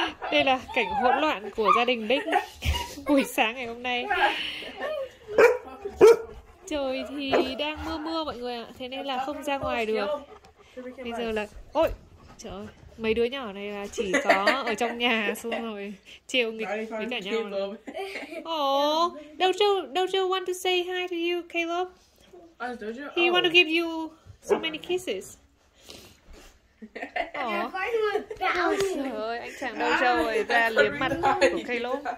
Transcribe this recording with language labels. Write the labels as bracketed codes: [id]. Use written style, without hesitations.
[vi] Đây là cảnh hỗn loạn của gia đình Bích buổi sáng ngày hôm nay. Trời thì đang mưa mưa mọi người ạ, thế nên là không ra ngoài được. Bây giờ là, ôi, trời ơi, mấy đứa nhỏ này là chỉ có ở trong nhà xong rồi trêu nghịch với cả nhau. [en] Oh, don't you want to say hi to you, Caleb? He want to give you so many kisses. [vi] Oh, trời ơi, anh chàng đâu trâu rồi ra liếm mặt của Caleb.